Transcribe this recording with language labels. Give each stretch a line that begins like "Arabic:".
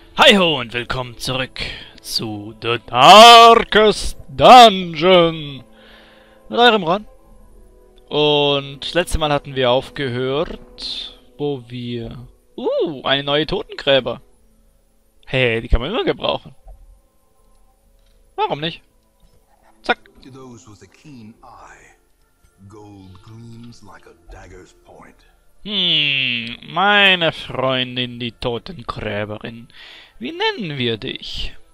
German: Hiho und willkommen zurück zu The Darkest Dungeon mit eurem Ron. Und das letzte Mal hatten wir aufgehört, wo wir... eine neue Totengräber. Hey, die kann man immer gebrauchen. Warum nicht? Zack.
English: To those with a keen eye, gold gleams like a dagger's point.
German: Meine Freundin, die Totengräberin. Wie nennen wir dich?